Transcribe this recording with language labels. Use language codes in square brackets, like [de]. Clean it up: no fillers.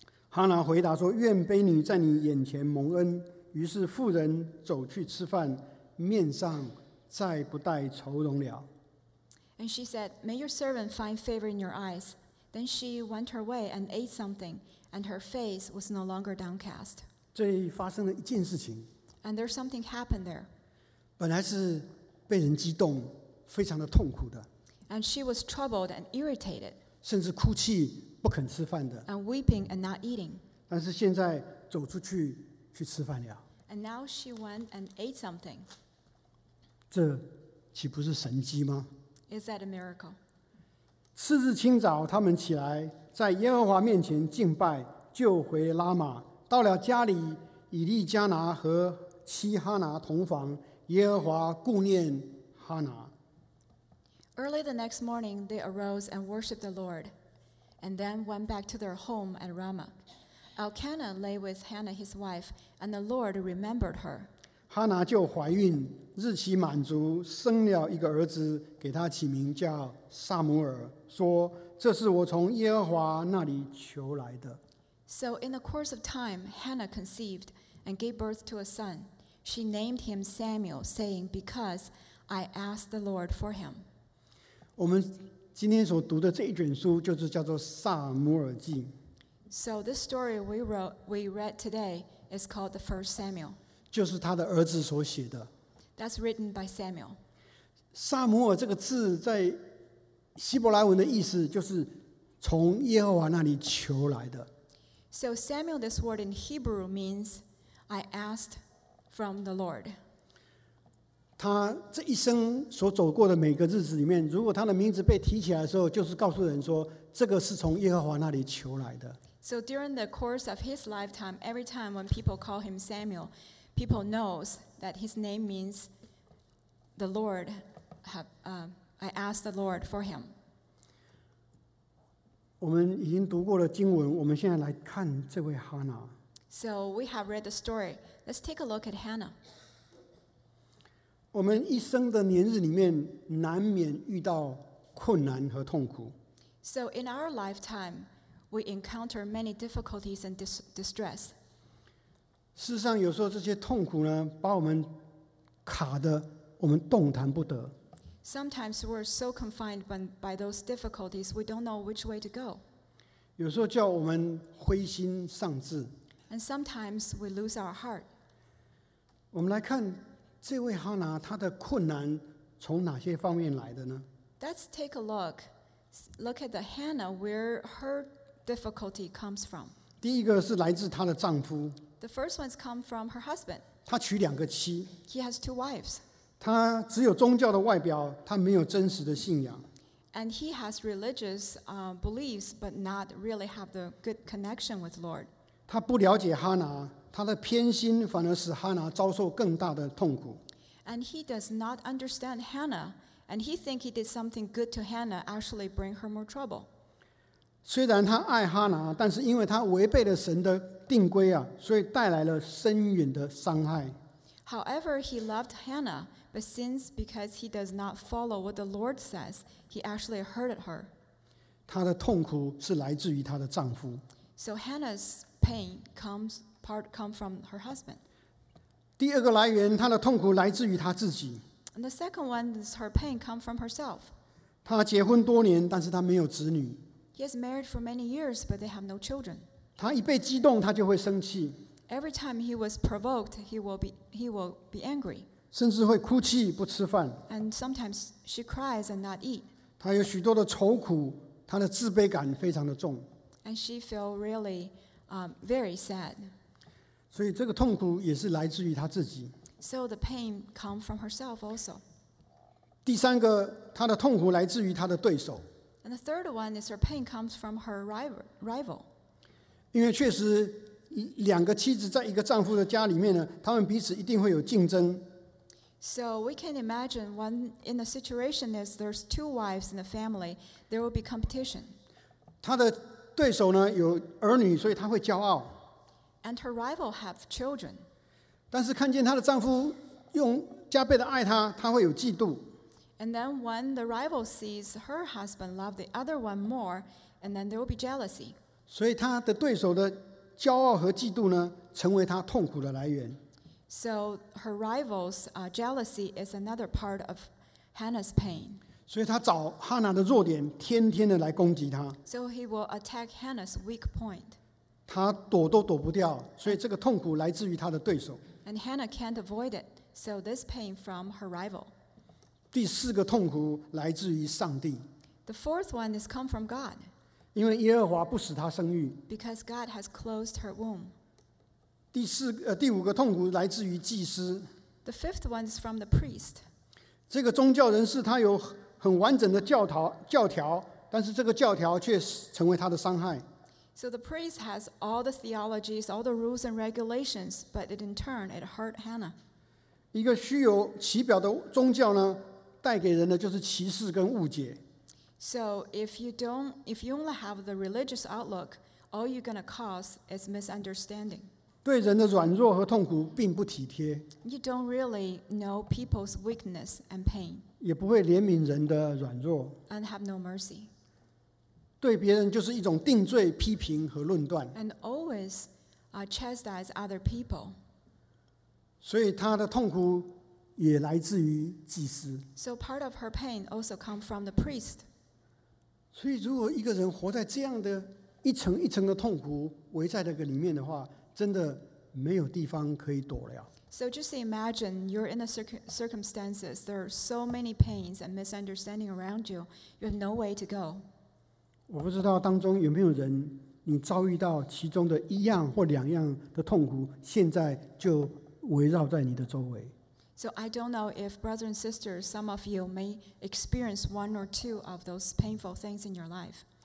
[zh] 哈拿回答说：“愿婢女在你眼前蒙恩。” 于是妇人走去吃饭，面上。再不带愁容了。 [en] And she said, "May your servant find favor in your eyes." Then she went her way and ate something, and her face was no longer downcast. [zh] 这里发生了一件事情。 [en] And there's something happened there. [zh] 本来是被人激动，非常的痛苦的。 [en] And she was troubled and irritated. [zh] 甚至哭泣，不肯吃饭的。 [en] And weeping and not eating. [zh] 但是现在走出去去吃饭了。 [en] And now she went and ate something. [zh] 这岂不是神迹吗？ [en] Is that a miracle? [zh] 次日清早，他们起来，在耶和华面前敬拜，就回拉玛。到了家里，以利加拿和妻哈拿同房，耶和华顾念哈拿。 [en] Early the next morning, they arose and worshipped the Lord, and then went back to their home at Ramah. Elkanah lay with Hannah his wife, and the Lord remembered her. [zh] 哈拿就怀孕，日期满足，生了一个儿子，给他起名叫撒母耳，说：“这是我从耶和华那里求来的。” [en] So in the course of time, Hannah conceived and gave birth to a son. She named him Samuel, saying, "Because I asked the Lord for him." [zh] 我们今天所读的这一卷书就是叫做《撒母耳记》。 [en] So this story we read today is called the First Samuel. [zh] 就是他的儿子所写的。 [en] That's written by Samuel. [zh] 撒母耳这个字在希伯来文的意思就是从耶和华那里求来的。 [en] So Samuel, this word in Hebrew means I asked from the Lord. [zh] 他这一生所走过的每个日子里面，如果他的名字被提起来的时候，就是告诉人说，这个是从耶和华那里求来的。 [en] So during the course of his lifetime, every time when people call him Samuel, people knows that his name means the Lord. I asked the Lord for him. [zh] 我们已经读过了经文，我们现在来看这位哈拿。 [en] So we have read the story. Let's take a look at Hannah. [zh] 我们一生的年日里面，难免遇到困难和痛苦。 [en] So in our lifetime, we encounter many difficulties and distress. [zh] 事实上，有时候这些痛苦呢，把我们卡得我们动弹不得。 [en] Sometimes we're so confined by those difficulties, we don't know which way to go. [zh] 有时候叫我们灰心丧志。 [en] And sometimes we lose our heart. [zh] 我们来看这位哈拿，她的困难从哪些方面来的呢？ [en] Let's take a look. Look at the Hannah, where her difficulty comes from. [zh] 第一个是来自她的丈夫。 [en] The first one's come from her husband. [zh] 她娶两个妻。 [en] He has two wives. [zh] 他只有宗教的外表，他没有真实的信仰。 [en] And he has religious beliefs, but not really have the good connection with Lord. [zh] 他不了解哈拿，他的偏心反而使哈拿遭受更大的痛苦。 [en] And he does not understand Hannah, and he think he did something good to Hannah, actually bring her more trouble. [zh] 虽然他爱哈拿，但是因为他违背了神的定规啊，所以带来了深远的伤害。 [en] However, he loved Hannah. But since because he does not follow what the Lord says, he actually hurted her. [zh] 她的痛苦是来自于她的丈夫。 [en] So Hannah's pain comes from her husband. [zh] 第二个来源，她的痛苦来自于她自己。 [en] And the second one is her pain comes from herself. [zh] 她结婚多年，但是她没有子女。 [en] He has married for many years, but they have no children. [zh] 她一被激动，她就会生气。 [en] Every time he was provoked, he will be angry. [zh] 甚至会哭泣不吃饭。 [en] And sometimes she cries and not eat. [zh] 她有许多的愁苦，她的自卑感非常的重。 [en] And she feel really, very sad. [zh] 所以这个痛苦也是来自于她自己。 [en] So the pain come from herself also. [zh] 第三个，她的痛苦来自于她的对手。 [en] And the third one is her pain comes from her rival. [zh] 因为确实，两个妻子在一个丈夫的家里面呢，他们彼此一定会有竞争。 [en] So we can imagine when in the situation is there's two wives in the family, there will be competition. [zh] 她的对手呢有儿女，所以她会骄傲。 [en] And her rival have children. [zh] 但是看见她的丈夫用加倍的爱她，她会有嫉妒。 [en] And then when the rival sees her husband love the other one more, and then there will be jealousy. [zh] 所以她的对手的骄傲和嫉妒呢，成为她痛苦的来源。 [en] So her rival's jealousy is another part of Hannah's pain. [zh] 所以他找哈拿的弱点，天天的来攻击他。 [en] So he will attack Hannah's weak point. [zh] 他躲都躲不掉，所以这个痛苦来自于他的对手。 [en] And Hannah can't avoid it, so this pain from her rival. [zh] 第四个痛苦来自于上帝。 [en] The fourth one is come from God. [zh] 因为耶和华不使他生育。 [en] Because God has closed her womb. [zh] 第五个痛苦来自于祭司。 [en] The fifth one is from the priest. [zh] 这个宗教人士他有很完整的教条，但是这个教条却成为他的伤害。 [en] So the priest has all the theologies, all the rules and regulations, but in turn, it hurt Hannah. [zh] 一个虚有其表的宗教呢，带给人的就是歧视跟误解。 [en] So if you only have the religious outlook, all you're going to cause is misunderstanding. [zh] 对人的软弱和痛苦并不体贴。 [en] You don't really know people's weakness and pain. [zh] 也不会怜悯人的软弱。 [en] And have no mercy. [zh] 对别人就是一种定罪、批评和论断。 [en] And always chastise other people. [zh] 所以他的痛苦也来自于祭司。 [en] So part of her pain also comes from the priest. [zh] 所以如果一个人活在这样的一层一层的痛苦围在那个里面的话，真的没有地方可以躲了。 [en] So just imagine you're in the circumstances. There are so many pains and misunderstanding around you. You have no way to go. [zh] 我不知道当中有没有人，你遭遇到其中的一样或两样的痛苦，现在就围绕在你的周围。 [en] So I don't know if brothers and sisters, some of you may experience one or two of those painful things in your life.